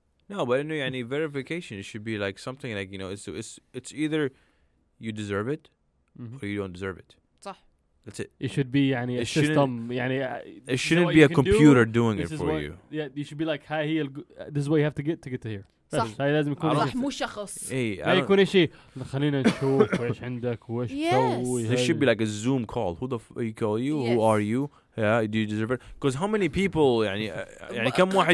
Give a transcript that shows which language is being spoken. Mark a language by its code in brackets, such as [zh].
[en] No, but I know يعني verification should be like something like, you know, it's either you deserve it or you don't deserve it. [ar] صح. [en] That's it. It should be يعني it a system يعني it shouldn't be a computer doing it for you. Yeah, you should be like, hey, this is what you have to get to here. [ar] صح هاي لازم يكون صح مو شخص إيه ما يكون إشي خلينا نشوف وإيش عندك وإيش تسوي [en] this should be like a zoom call who the f- you call you yes. who are you yeah do you deserve it because how many people [ar] يعني كم واحد